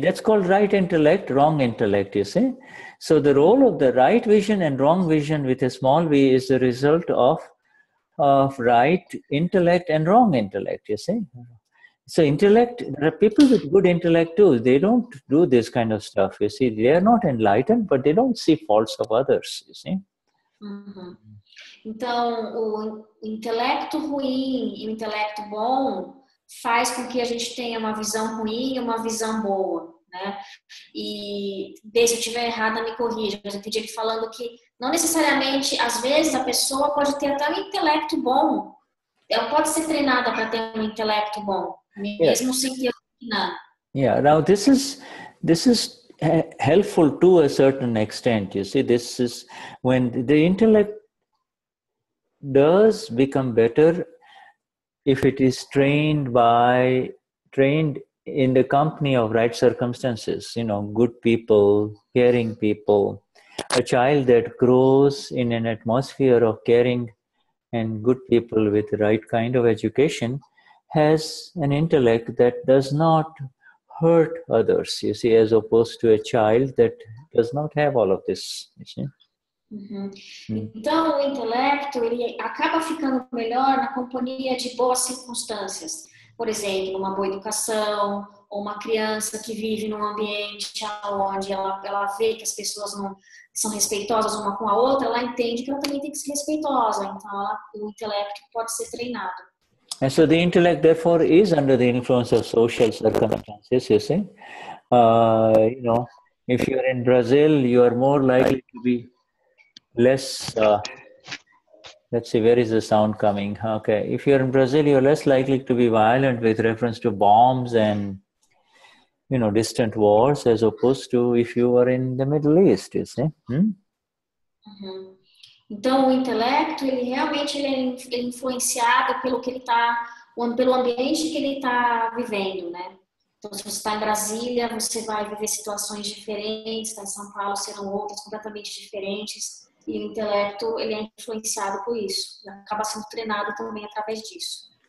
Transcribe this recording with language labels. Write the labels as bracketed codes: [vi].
[en] That's called right intellect, wrong intellect, you see? So the role of the right vision and wrong vision with a small v is the result of right intellect and wrong intellect, you see? So intellect, there are people with good intellect too. They don't do this kind of stuff, you see? They are not enlightened, but they don't see faults of others, you see? [pt] Então, o intelecto ruim e o intelecto bom faz com que a gente tenha uma visão ruim e uma visão boa. Né? E desde eu estiver errada, me corrija. Mas eu entendi ele falando que não necessariamente, às vezes, a pessoa pode ter até um intelecto bom. Ela pode ser treinada para ter um intelecto bom, mesmo sem ter nada. [en] Yeah, now this is helpful to a certain extent. You see, this is when the intellect does become better if it is trained in the company of right circumstances, you know, good people, caring people. A child that grows in an atmosphere of caring and good people with the right kind of education has an intellect that does not hurt others, you see, as opposed to a child that does not have all of this, you see. [pt] Então, o intelecto, ele acaba ficando melhor na companhia de boas circunstâncias. Por exemplo, uma boa educação, ou uma criança que vive num ambiente onde ela vê que as pessoas não são respeitosas uma com a outra, ela entende que ela também tem que ser respeitosa. Então, o intelecto pode ser treinado. [en] And so the intellect, therefore, is under the influence of social circumstances, you see. You know, if you're in Brazil, you are more likely to be less, let's see, where is the sound coming? Okay, if you're in Brazil, you're less likely to be violent with reference to bombs and, you know, distant wars, as opposed to if you are in the Middle East, you see. [pt] Então, o intelecto, ele realmente ele é influenciado pelo que ele tá, pelo ambiente que ele está vivendo, né? Então, se você está em Brasília, você vai viver situações diferentes, tá em São Paulo serão outras completamente diferentes, e o intelecto, ele é influenciado por isso, ele acaba sendo treinado também através disso.